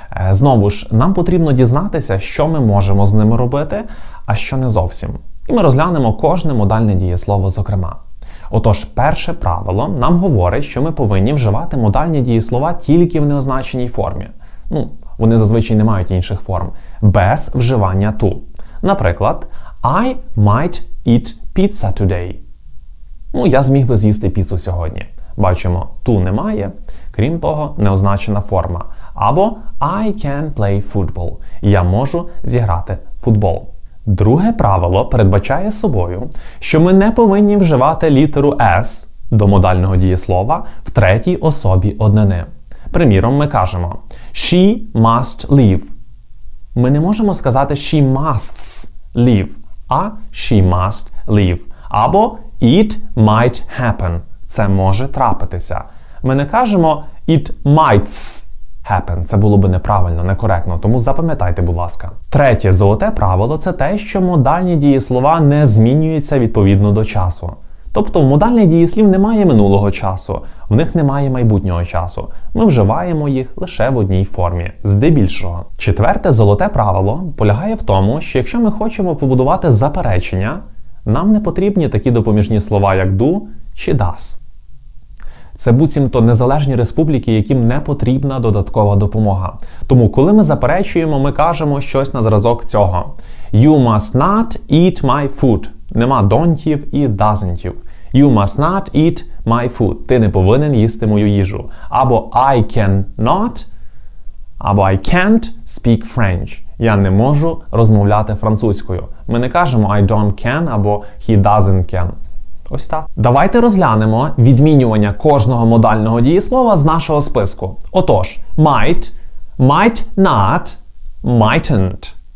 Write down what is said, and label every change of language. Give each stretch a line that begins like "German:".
Ukrainian: Знову ж, нам потрібно дізнатися, що ми можемо з ними робити, а що не зовсім. І ми розглянемо кожне модальне дієслово зокрема. Отож, перше правило нам говорить, що ми повинні вживати модальні дієслова тільки в неозначеній формі. Ну, вони зазвичай не мають інших форм. Без вживання to. Наприклад,
English: I might eat pizza today.
Ukrainian: Ну, я зміг би з'їсти піцу сьогодні. Бачимо, to немає. Крім того, неозначена форма. Або
English: I can play football.
Ukrainian: Я можу зіграти футбол. Друге правило передбачає собою, що ми не повинні вживати літеру S до модального дієслова в третій особі однини. Приміром, ми кажемо
English: she must leave.
Ukrainian: Ми не можемо сказати
English: she musts leave,
Ukrainian: а
English: she must leave.
Ukrainian: Або
English: it might happen.
Ukrainian: Це може трапитися. Ми не кажемо
English: it might happen.
Ukrainian: Це було б неправильно, некоректно. Тому запам'ятайте, будь ласка. Третє золоте правило – це те, що модальні дієслова не змінюються відповідно до часу. Тобто в модальних дієслів немає минулого часу, в них немає майбутнього часу. Ми вживаємо їх лише в одній формі, здебільшого. Четверте золоте правило полягає в тому, що якщо ми хочемо побудувати заперечення, нам не потрібні такі допоміжні слова, як do чи does. Це буцімто незалежні республіки, яким не потрібна додаткова допомога. Тому коли ми заперечуємо, ми кажемо щось на зразок цього.
English: You must not eat my food.
Ukrainian: Нема донтів і дазентів.
English: You must not eat my food.
Ukrainian: Ти не повинен їсти мою їжу. Або
English: I cannot,
Ukrainian: або
English: I can't speak French.
Ukrainian: Я не можу розмовляти французькою. Ми не кажемо
English: I don't can
Ukrainian: або
English: he doesn't can.
Ukrainian: Ось так. Давайте розглянемо відмінювання кожного модального дієслова з нашого списку. Отож,
English: might, might not, mightn't.